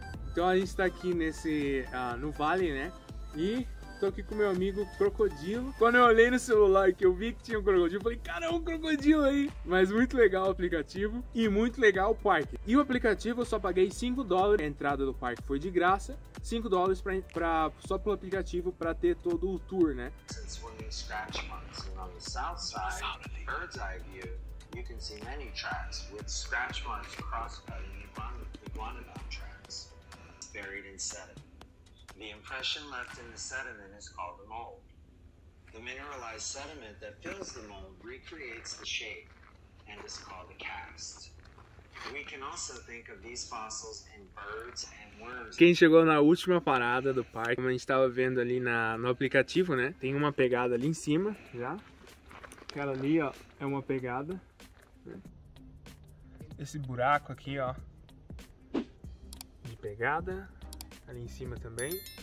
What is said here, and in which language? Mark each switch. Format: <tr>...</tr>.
<pt>Então a gente está aqui nesse no vale, né? E tô aqui com meu amigo crocodilo. Quando eu olhei no celular que eu vi que tinha um crocodilo, eu falei, cara, é um crocodilo aí. Mas muito legal o aplicativo e muito legal o parque. E o aplicativo eu só paguei $5. A entrada do parque foi de graça. $5 pra só pelo aplicativo pra ter todo o tour, né?</pt> <en>Since we're in scratch marks and on the south side, bird's eye view, you can see many tracks with scratch marks cross-cutting among the iguanodon tracks buried in sediment. The impression left in the sediment is called a mold. The mineralized sediment that fills the mold recreates the shape and is called a cast. We can also think of these fossils in birds and worms.</en> <pt>Quem chegou na última parada do parque, como a gente estava vendo ali no aplicativo, né? Tem uma pegada ali em cima, já. Aquela ali, ó, é uma pegada. Esse buraco aqui, ó, de pegada. Ali em cima também.</pt>